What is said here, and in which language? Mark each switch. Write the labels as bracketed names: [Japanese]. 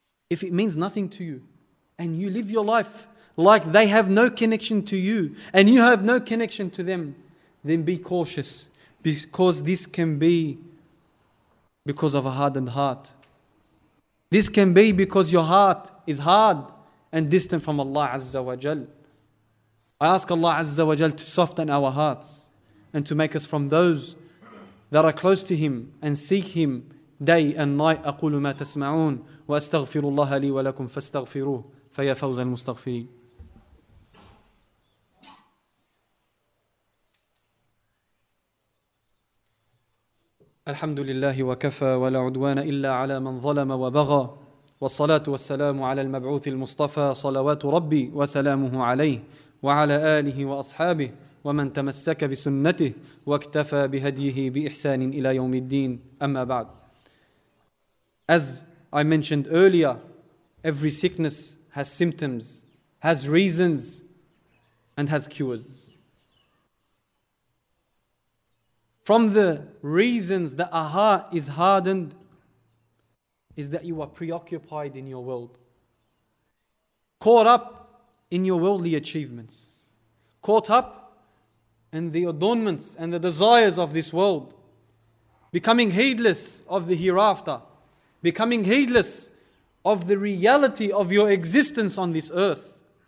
[English] If it means nothing to you and you live your life like they have no connection to you and you have no connection to them, then be cautious, because this can be because of a hardened heart. This can be because your heart is hard and distant from Allah Azza wa Jal. I ask Allah Azza wa Jal to soften our hearts and to make us from those that are close to Him and seek Him day and night. [Arabic] أقول ما تسمعون وأستغفر الله لي ولكم فاستغفروه فيا فوز المستغفرين. الحمد لله وكفى ولا عدوان إلا على من ظلم وبغى والصلاة والسلام على المبعوث المصطفى صلوات ربي وسلامه عليه وعلى آله وأصحابه ومن تمسك بسنته واكتفى بهديه بإحسان إلى يوم الدين. أما بعد. [English] As I mentioned earlier, every sickness has symptoms, has reasons, and has cures. From the reasons that a heart is hardened is that you are preoccupied in your world, caught up in your worldly achievements, caught up in the adornments and the desires of this world, becoming heedless of the hereafter, becoming heedless of the reality of your existence on this earth.